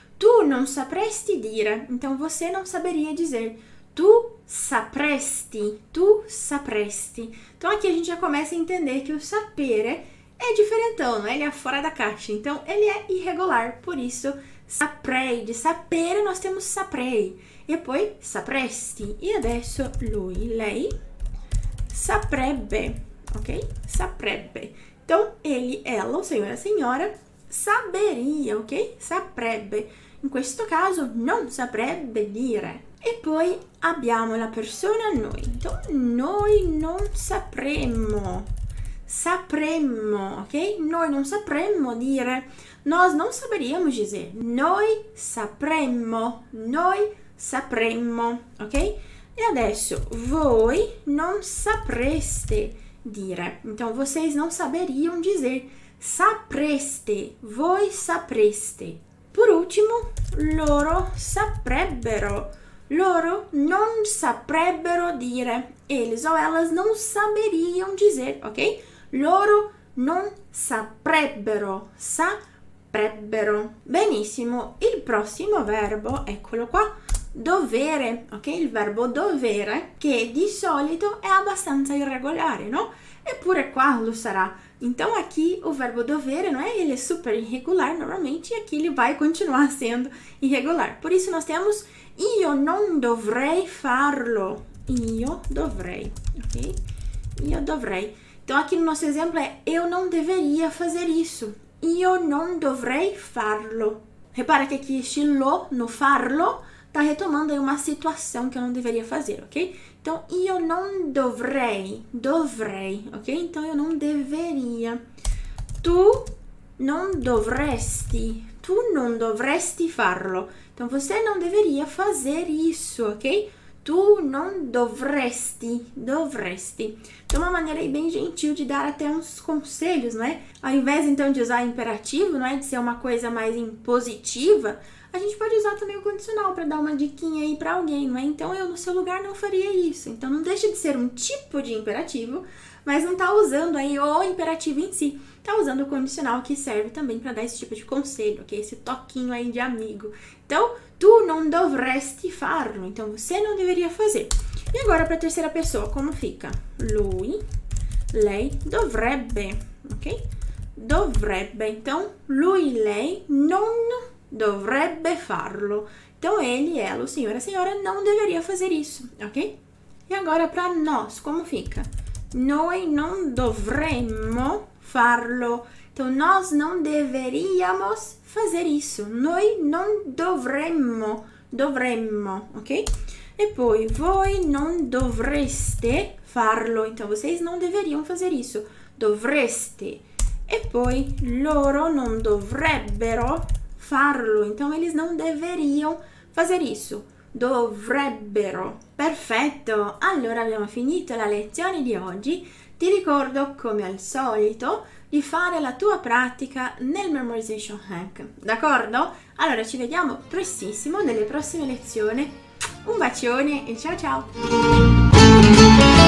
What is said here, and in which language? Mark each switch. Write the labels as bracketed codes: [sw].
[it] Tu non sapresti dire. [pt] Então, você não saberia dizer. [it] Tu sapresti, tu sapresti. [pt] Então, aqui a gente já começa a entender que o sapere é diferentão, não é? Ele é fora da caixa. Então, ele é irregular. Por isso, saprei. De sapere, nós temos saprei. [it] E poi, sapresti. E adesso, lui, lei, saprebbe. Ok? Saprebbe. [pt] Então, ele, ela, o senhor, a senhora, saberia, ok? [it] Saprebbe. In questo caso, non saprebbe dire. E poi abbiamo la persona noi. Então, noi non sapremmo. Sapremmo, ok? Noi non sapremmo dire. [pt] Nós non saberíamos dizer. [it] Noi sapremmo. Noi sapremmo, ok? E adesso, voi non sapreste dire. [pt] Então, vocês não saberiam dizer. Sapreste. [it] Voi sapreste. [pt] Por último, [it] loro saprebbero. Loro non saprebbero dire. [pt] Eles ou elas não saberiam dizer, ok? [it] Loro non saprebbero. Saprebbero. Benissimo. Il prossimo verbo, eccolo qua. Dovere, ok? Il verbo dovere, che di solito è abbastanza irregolare, no? Eppure qua lo sarà. [pt] Então, aqui o verbo dovere, não é? Ele é super irregular normalmente, e aqui ele vai continuar sendo irregular. Por isso, nós temos [it] io non dovrei farlo. Io dovrei, ok? Io dovrei. [pt] Então, aqui no nosso exemplo é eu não deveria fazer isso. [it] Io non dovrei farlo. [pt] Repara que aqui este lo no farlo está retomando aí uma situação que eu não deveria fazer, ok? [it] Então, io non dovrei, dovrei, ok? [pt] Então, eu não deveria. [it] Tu non dovresti farlo. [pt] Então, você não deveria fazer isso, ok? [it] Tu non dovresti, dovresti. [pt] Então, uma maneira aí bem gentil de dar até uns conselhos, não é? Ao invés, então, de usar imperativo, não é? De ser uma coisa mais impositiva, a gente pode usar também o condicional para dar uma diquinha aí para alguém, não é? Então, eu no seu lugar não faria isso. Então, não deixa de ser um tipo de imperativo, mas não tá usando aí o imperativo em si. Tá usando o condicional que serve também para dar esse tipo de conselho, ok? Esse toquinho aí de amigo. [it] Então, tu non dovresti farlo. [pt] Então, você não deveria fazer. E agora para a terceira pessoa, como fica? [it] Lui, lei, dovrebbe, ok? Dovrebbe. Então, lui, lei, non dovrebbe farlo. [pt] Então, ele, ela, o senhor, a senhora, não deveria fazer isso, ok? E agora, para nós, como fica? [it] Noi non dovremmo farlo. [pt] Então, nós não deveríamos fazer isso. [it] Noi non dovremmo, dovremmo, ok? E poi, voi non dovreste farlo. [pt] Então, vocês não deveriam fazer isso. [it] Dovreste. E poi, loro non dovrebbero farlo. [pt] Então, eles não deveriam fazer isso. [it] Dovrebbero. Perfetto! Allora abbiamo finito la lezione di oggi. Ti ricordo, come al solito, di fare la tua pratica nel Memorization Hack. D'accordo? Allora ci vediamo prestissimo nelle prossime lezioni. Un bacione e ciao ciao!